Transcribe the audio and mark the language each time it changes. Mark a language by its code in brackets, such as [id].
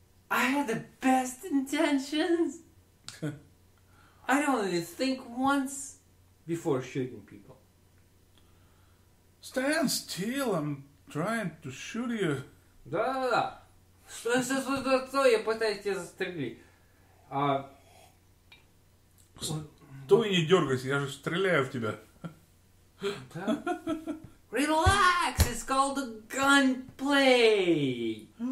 [en] I had the best intentions. I don't even think once before shooting people. Stand still, I'm trying to shoot you. [ru] Да-да-да. Стой, я пытаюсь тебя застрелить. А... Стой, не дергайся, я же стреляю в тебя. Да? [en] Relax, it's called a gunplay.